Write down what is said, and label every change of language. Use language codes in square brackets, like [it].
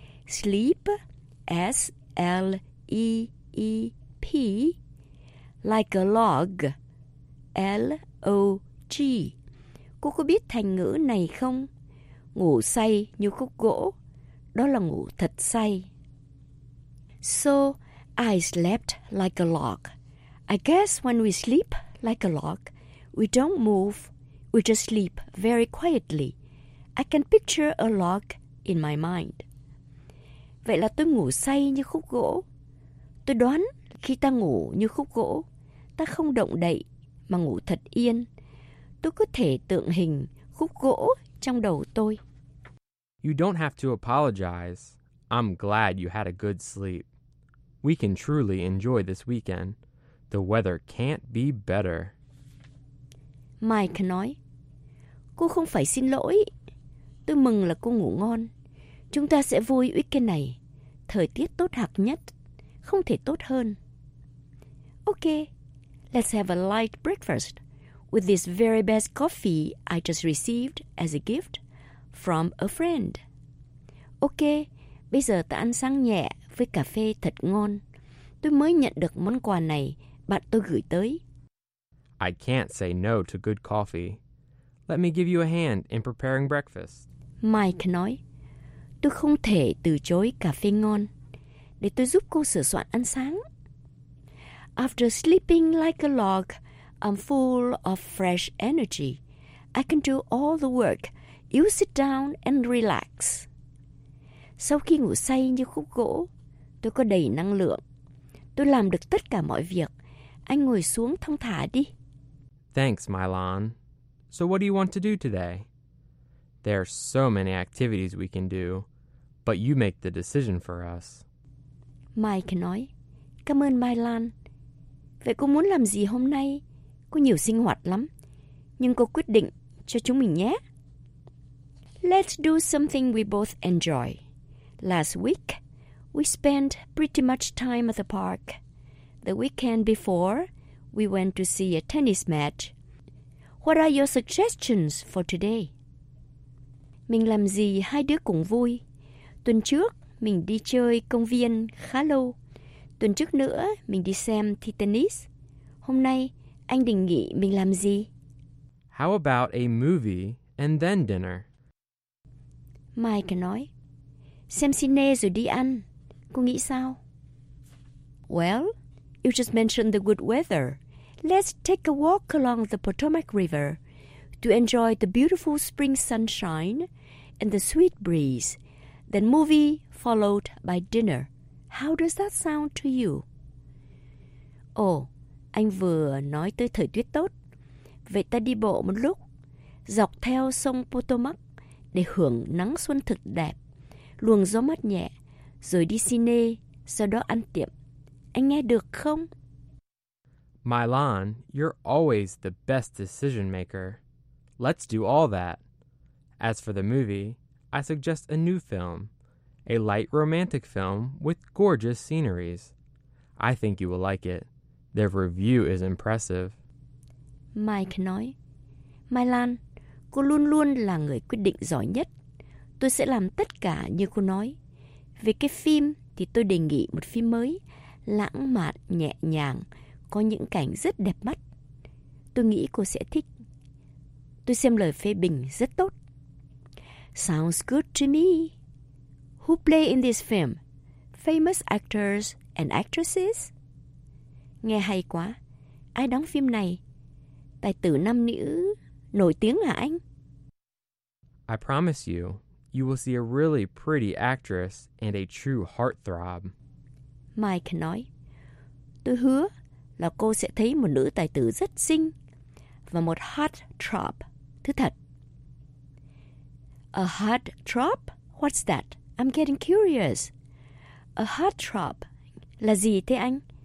[en] Sleep, S-L-E-E-P, like a log, L-O-G. [vi] Cô có biết thành ngữ này không? Ngủ say như khúc gỗ, đó là ngủ thật say. [en] So, I slept like a log. I guess when we sleep like a log, we don't move, we just sleep very quietly. I can picture a log in my mind. [vi] Vậy là tôi ngủ say như khúc gỗ. Tôi đoán khi ta ngủ như khúc gỗ, ta không động đậy mà ngủ thật yên. Tôi có thể tượng hình khúc gỗ trong đầu tôi. [en] You don't have to apologize. I'm glad you had a good sleep. We can truly enjoy this weekend. The weather can't be better. [vi] Mike nói, Cô không phải xin lỗi. Tôi mừng là cô ngủ ngon. Chúng ta sẽ vui weekend này. Thời tiết tốt hạc nhất. Không thể tốt hơn. [en] Okay, let's have a light breakfast with this very best coffee I just received as a gift from a friend. [vi] Okay, bây giờ ta ăn sáng nhẹ với cà phê thật ngon. Tôi mới nhận được món quà này bạn tôi gửi tới. [en] I can't say no to good coffee. Let me give you a hand in preparing breakfast. [vi] Mike nói, Tôi không thể từ chối cà phê ngon. Để tôi giúp cô sửa soạn ăn sáng. [en] After sleeping like a log, I'm full of fresh energy. I can do all the work. You sit down and relax. [vi] Sau khi ngủ say như khúc gỗ, tôi có đầy năng lượng. Tôi làm được tất cả mọi việc. Anh ngồi xuống thong thả đi. [en] Thanks, Mylon. So what do you want to do today? There are so many activities we can do, but you make the decision for us. [vi] Mike nói, Cảm ơn Mylon. Vậy cô muốn làm gì hôm nay? Có nhiều sinh hoạt lắm. Nhưng cô quyết định cho chúng mình nhé. [en] Let's do something we both enjoy. Last week, we spent pretty much time at the park. The weekend before, we went to see a tennis match. What are your suggestions for today? [vi] Mình làm gì hai đứa cùng vui? Tuần trước, mình đi chơi công viên khá lâu. Tuần trước nữa, mình đi xem thi tennis. Hôm nay, anh định nghĩ mình làm gì? [en] How about a movie and then dinner? [vi] Mike nói, Xem cine rồi đi ăn. Cô nghĩ sao? [en] Well, you just mentioned the good weather. Let's take a walk along the Potomac River to enjoy the beautiful spring sunshine and the sweet breeze, then movie followed by dinner. How does that sound to you? [vi] Anh vừa nói tới thời tiết tốt. Vậy ta đi bộ một lúc, dọc theo sông Potomac để hưởng nắng xuân thực đẹp, luồng gió mát nhẹ, rồi đi cine, sau đó ăn tiệm. Anh nghe được không? [en] Mylon, you're always the best decision maker. Let's do all that. As for the movie, I suggest a new film, a light romantic film with gorgeous sceneries. I think you will like it. Their review is impressive. [vi] Mike nói, Mai Lan, cô luôn luôn là người quyết định giỏi nhất. Tôi sẽ làm tất cả như cô nói. Về cái phim thì tôi đề nghị một phim mới, lãng mạn, nhẹ nhàng, có những cảnh rất đẹp mắt. Tôi nghĩ cô sẽ thích. Tôi xem lời phê bình rất tốt. [en] Sounds good to me. Who play in this film? Famous actors and actresses? [vi] Nghe hay quá. Ai đóng phim này? Tài tử nam nữ nổi tiếng hả anh? [en] I promise you, you will see a really pretty actress and a true heartthrob. [vi] Mike nói, tôi hứa là cô sẽ thấy một nữ tài tử rất xinh và một heartthrob, thứ thật. [en] A heartthrob? What's that? I'm getting curious. [vi] A heartthrob là gì thế anh?